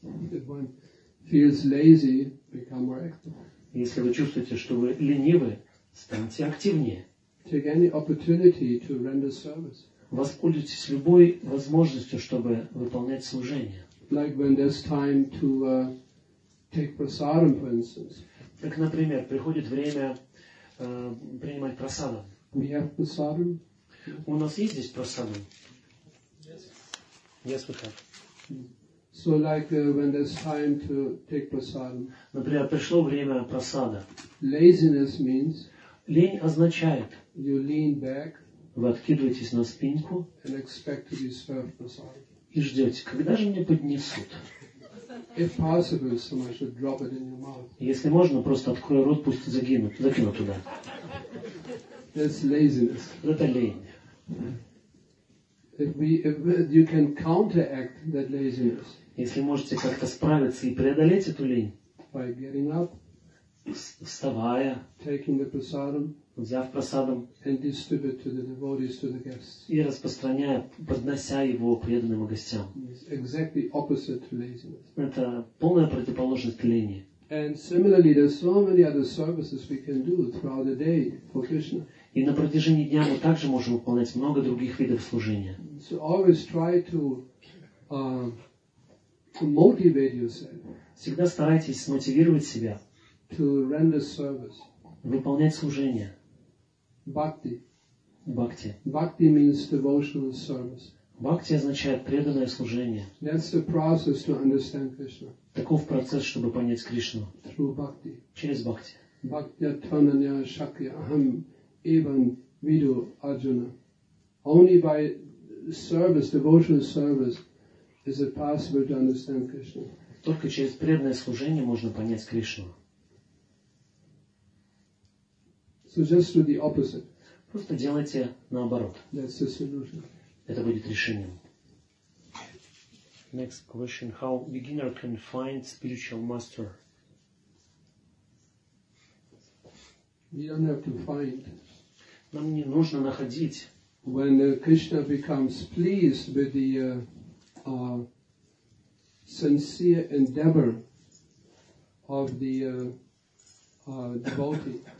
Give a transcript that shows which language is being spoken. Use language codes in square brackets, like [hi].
[en] If one feels lazy, become more active. [ru] Если вы чувствуете, что вы ленивы, станьте активнее. [en] Take any opportunity to render service. [ru] Воспользуйтесь любой возможностью, чтобы выполнять служение. [en] Like when there's time to take prasadam, for instance. [ru] Так, например, приходит время принимать прасадам. [en] We have prasadam. [ru] У нас есть здесь прасадам? [en] Yes. Yes, we have. So like when there's time to take prasadam. [ru] Например, пришло время прасада. [en] Laziness means. [ru] Лень означает. [en] You lean back. [ru] Вы откидываетесь на спинку. [en] And expect to be served prasadam. [ru] И ждете, когда же мне поднесут? [en] If possible, someone should drop it in your mouth. [ru] Если можно, просто открой рот, пусть загинут, закину туда. [en] That's laziness. [ru] Это лень. [en] you can counteract that laziness. [ru] Если можете как-то справиться и преодолеть эту лень. [en] By getting up, [ru] вставая, [en] taking the prasadam, [ru] взяв прасадам, [en] and distribute to the devotees, to the guests. [ru] И распространяя, поднося его преданным гостям. [en] It's exactly opposite to laziness. [ru] Это полная противоположность лени. [en] And similarly, there are so many other services we can do throughout the day for Krishna. [ru] И на протяжении дня мы также можем выполнять много других видов служения. [en] So always try to motivate yourself. [ru] Всегда старайтесь мотивировать себя. [en] To render service. [ru] Выполнять служение. [en] Bhakti. Bhakti. Bhakti means devotional service. [ru] Bhakti означает преданное служение. [en] That's the process to understand Krishna. [ru] Таков процесс, чтобы понять Кришну. [en] Through bhakti. [ru] Через бхакти. [sa] Bhakti atvananya shakya aham evam vidu arjuna. [en] Only by service, devotional service, is it possible to understand Krishna. [ru] Только через преданное служение можно понять Кришну. [en] So just do the opposite. [ru] Просто делайте наоборот. [en] That's the solution. [ru] Это будет решением. [en] Next question: how beginner can find spiritual master? You don't have to find. [ru] Нам не нужно находить. [en] When Krishna becomes pleased with the sincere endeavor of the devotee.